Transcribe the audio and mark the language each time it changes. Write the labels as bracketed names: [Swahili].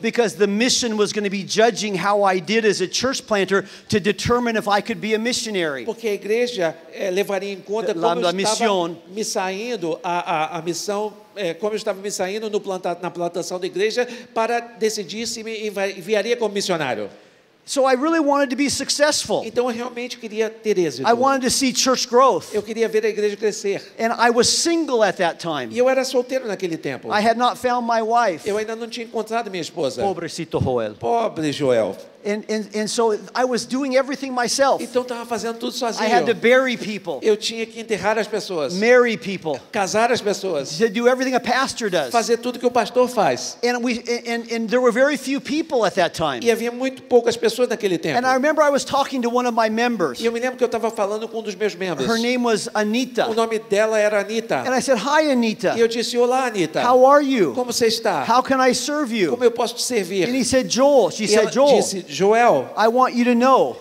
[English] Because the mission was going to be judging how I did as a church planter to determine if I could be a missionary. [Portuguese] Porque a igreja levaria em conta como eu estava me saindo a missão, como eu estava me saindo no na plantação da igreja para decidir se me enviaria como missionário. [English] So I really wanted to be successful. [Portuguese] Então eu realmente queria ter êxito. [English] I wanted to see church growth. [Portuguese] Eu queria ver a igreja crescer. [English] And I was single at that time. [Portuguese] E eu era solteiro naquele tempo. [English] I had not found my wife. [Portuguese] Eu ainda não tinha encontrado minha esposa. [Spanish] Pobrecito Joel. [Portuguese] Pobre Joel. [English] And so I was doing everything myself. [Portuguese] Então estava fazendo tudo sozinho. [English] I had to bury people. [Portuguese] Eu tinha que enterrar as pessoas. [English] Marry people. [Portuguese] Casar as pessoas. [English] To do everything a pastor does. [Portuguese] Fazer tudo que o pastor faz. [English] And there were very few people at that time. [Portuguese] E havia muito poucas pessoas naquele tempo. [English] And I remember I was talking to one of my members. [Portuguese] E eu me lembro que eu estava falando com um dos meus membros. [English] Her name was Anita. [Portuguese] O nome dela era Anita. [English] And I said, "Hi, Anita." [Portuguese] E eu disse, "Olá, Anita." [English] "How are you?" [Portuguese] Como você está? [English] "How can I serve you?" [Portuguese] Como eu posso te servir? [English] And he said, "Joel." She said, "Joel." [Portuguese] Disse, Joel, [English] I want you to know,